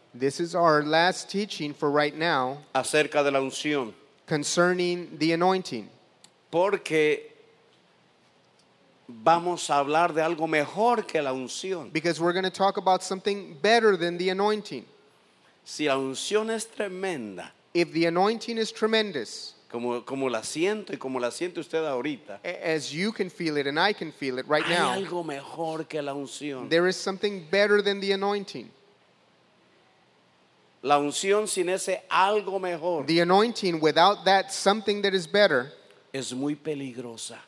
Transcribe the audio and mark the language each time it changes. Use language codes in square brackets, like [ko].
[en] This is our last teaching for right now. [es] Acerca de la unción. [en] Concerning the anointing. [es] Porque vamos a hablar de algo mejor que la unción. [en] Because we're going to talk about something better than the anointing. [es] Si la unción es tremenda. [en] If the anointing is tremendous. [es] Como la siento y como la siente usted ahorita. [en] As you can feel it and I can feel it right now. [es] Hay algo mejor que la unción. [en] There is something better than the anointing. [es] La unción sin ese algo mejor. [en] The anointing without that something that is better. [es] Es muy peligrosa.